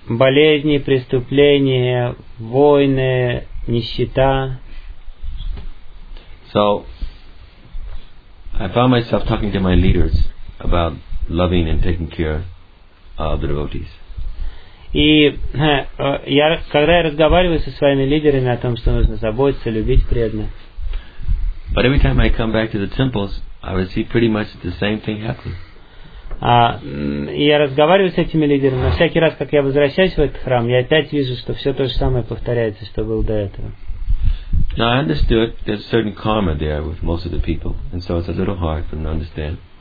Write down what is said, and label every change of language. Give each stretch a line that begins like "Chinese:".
Russian: Болезни, преступления, войны, нищета.
English: So I found myself talking to my leaders about loving and taking care.
Russian: И я, когда я разговариваю со своими лидерами о том, что нужно заботиться, любить преданных.
English: But every time I come back to the temples, I would see pretty much the same thing happen.
Russian: Я разговариваю с этими лидерами, но всякий раз, как я возвращаюсь в этот храм, я опять вижу, что все то же самое повторяется, что было до этого.
English: Now I understood there's certain karma there with most of the people, and so it's a little hard for them to understand.